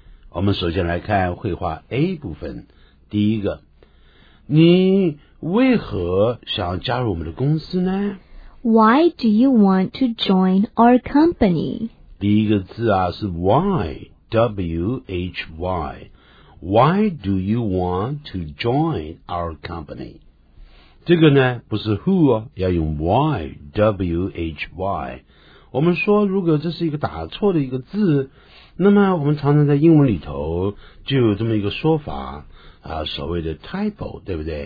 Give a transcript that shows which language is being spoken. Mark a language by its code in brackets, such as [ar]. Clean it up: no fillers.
[zh] 我们首先来看绘画 A 部分。第一个，你为何想加入我们的公司呢？ [en] Why do you want to join our company? [zh] 第一个字啊是 why, W-H-Y. [en] Why do you want to join our company? [zh] 这个呢不是 who 哦，要用 why, W-H-Y. 我们说如果这是一个打错的一个字，那么我们常常在英文里头就有这么一个说法啊，所谓的 typo, 对不对？